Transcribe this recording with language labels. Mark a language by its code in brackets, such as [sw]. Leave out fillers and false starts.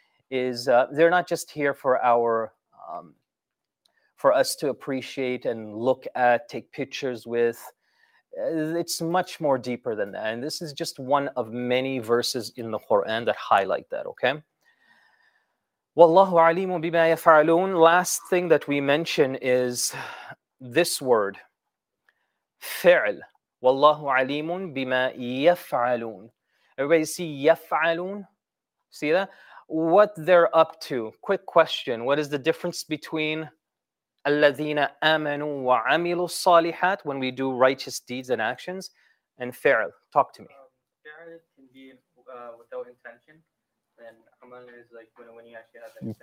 [en] Is they're not just here for our for us to appreciate and look at, take pictures with. It's much more deeper than that. And this is just one of many verses in the Quran that highlight that, okay? [ar] Wallahu alimu bima yafa'alun. [en] Last thing that we mention is this word. [ar] فعل والله عليم بما يفعلون. [en] Everybody see يفعلون? See that? What they're up to? Quick question. What is the difference between [ar] الذين آمنوا وعملوا الصالحات [en] when we do righteous deeds and actions and فعل? Talk to me. فعل can be without intention. And عمل is like when you actually have intention.